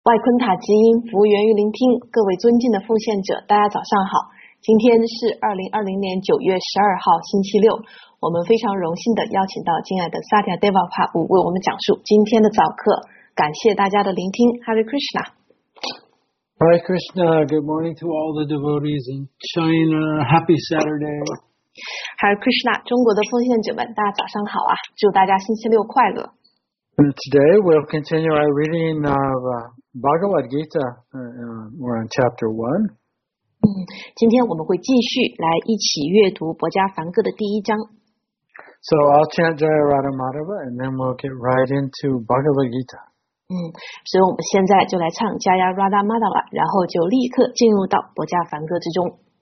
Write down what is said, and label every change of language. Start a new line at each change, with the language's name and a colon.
Chinese: 外昆塔基因服务员于聆听，各位尊敬的奉献者，大家早上好。今天是2020年9月12号，星期六。我们非常荣幸的邀请到敬爱的 Satya Deva Prabhu 为我们讲述今天的早课。感谢大家的聆听 ，Hare Krishna。
English: Hare Krishna, good morning to all the devotees in China. Happy Saturday.
Chinese: Hare Krishna, 中国的奉献者们，大家早上好啊！祝大家星期六快乐。
English: Today we'll continue our reading of Bhagavad Gita. We're on chapter 1.
Chinese: 今天我们会继续来一起阅读《博迦梵歌》的第一章。
English: So I'll chant Jayarada Madhava, and then we'll get right into Bhagavad Gita.
Chinese: 所以我们现在就来唱 Jayarada Madhava, 然后就立刻进入到《博迦梵歌》之中。